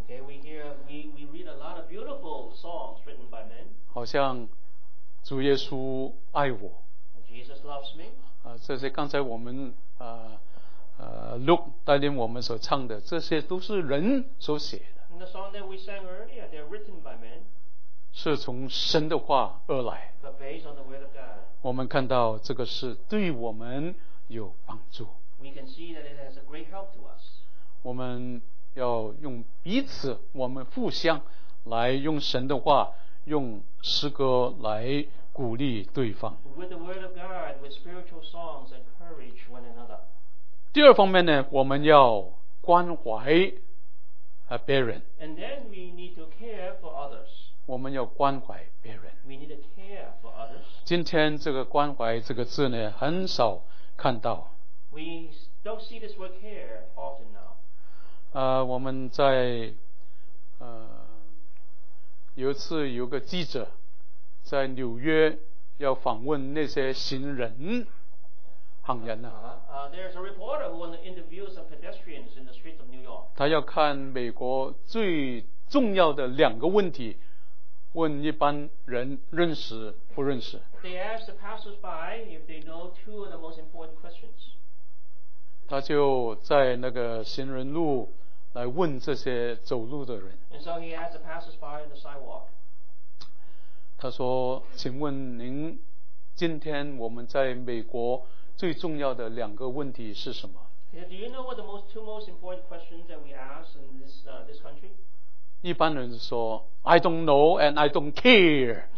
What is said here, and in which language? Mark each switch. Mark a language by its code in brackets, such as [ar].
[en] Okay, we read a lot of beautiful songs written by men. [zh] 好像主耶稣爱我。 [en] Jesus loves me. [zh] 这些刚才我们Luke 带领我们所唱的，这些都是人所写的。 [en] The song that we sang earlier, they're written by men. [zh] 是从神的话而来。 [en] But based on the word of God. [zh] 我们看到这个是对我们有帮助。 [en] We can see that it has a great help to us. [zh] 我们要用彼此，我们互相来用神的话，用诗歌来鼓励对方。 [en] With the word of God, with spiritual songs, encourage one another. [zh] 第二方面呢，我们要关怀别人。 [en] And then we need to care for others. [zh] 我们要关怀别人。 [en] We need to care for others. [zh] 今天这个关怀这个字呢，很少看到。 [en] We don't see this word care often now. [zh] 我们在有一次有个记者在纽约要访问那些行人。 [en] There's a reporter who wants to interview some pedestrians in the streets of New York. [zh] 他要看美国最重要的两个问题，问一般人认识不认识。 [en] They ask the passersby if they know two of the most important questions. [zh] 他就在那个行人路来问这些走路的人。 [en] And so he asked the passersby on the sidewalk. [zh] 他说：“请问您，今天我们在美国最重要的两个问题是什么？ [en] Do you know what the two most important questions that we ask in this country? [zh] 一般人说 [en] I don't know and I don't care.